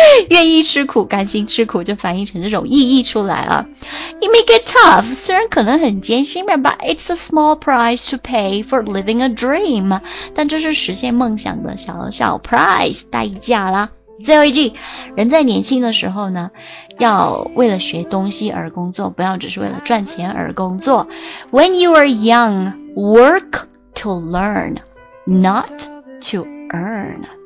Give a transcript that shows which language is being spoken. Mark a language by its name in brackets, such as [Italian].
[Chinese] 愿意吃苦，甘心吃苦，就翻译成这种意义出来啊。 [English] It may get tough, [Chinese] 虽然可能很艰辛 [English] but it's a small price to pay for living a dream. [Chinese] 但这是实现梦想的小小 price, 代价啦。最后一句，人在年轻的时候呢，要为了学东西而工作，不要只是为了赚钱而工作。 [English] When you are young, work to learn, not to earn.